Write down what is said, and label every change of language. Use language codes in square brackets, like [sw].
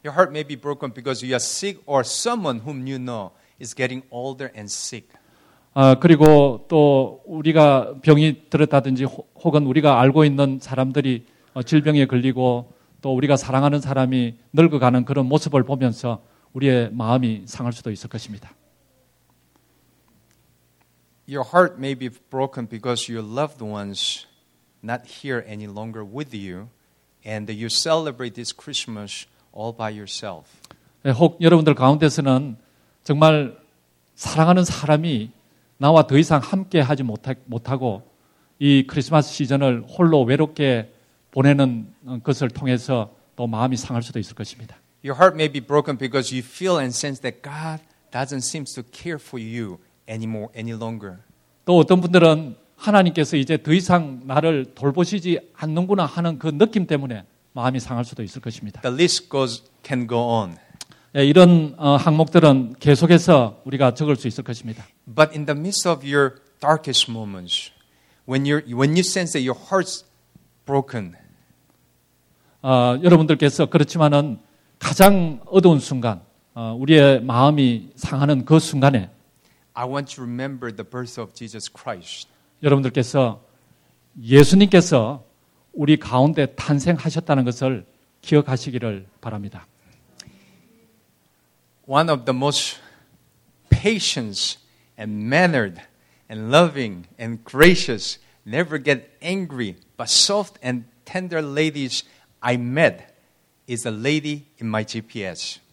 [en] Your heart may be broken because you are sick or someone whom you know is getting older and sick. [ko] 그리고 또 우리가 병이 들었다든지 혹은 우리가 알고 있는 사람들이 질병에 걸리고 또 우리가 사랑하는 사람이 늙어가는 그런 모습을 보면서 우리의 마음이 상할 수도 있을 것입니다. [en] Your heart may be broken because your loved ones not here any longer with you and you celebrate this Christmas all by yourself. [ko] 혹 여러분들 가운데서는 정말 사랑하는 사람이 나와 더 이상 함께 하지 못하고 이 크리스마스 시즌을 홀로 외롭게 보내는 것을 통해서 또 마음이 상할 수도 있을 것입니다. [en] Your heart may be broken because you feel and sense that God doesn't seem to care for you anymore, any longer. [ko] 또 어떤 분들은 하나님께서 이제 더 이상 나를 돌보시지 않는구나 하는 그 느낌 때문에 마음이 상할 수도 있을 것입니다. [en] The list can go on. [ko] 예, 이런 항목들은 계속해서 우리가 적을 수 있을 것입니다. [en] But in the midst of your darkest moments, when you sense that your heart's broken. [ko] 여러분들께서 그렇지만은 가장 어두운 순간, 우리의 마음이 상하는 그 순간에 [en] I want to remember the birth of Jesus Christ. [ko] 여러분들께서 예수님께서 우리 가운데 탄생하셨다는 것을 기억하시기를 바랍니다. [en] One of the most patient and mannered and loving and gracious never get angry but soft and tender ladies I met is a lady in my GPS.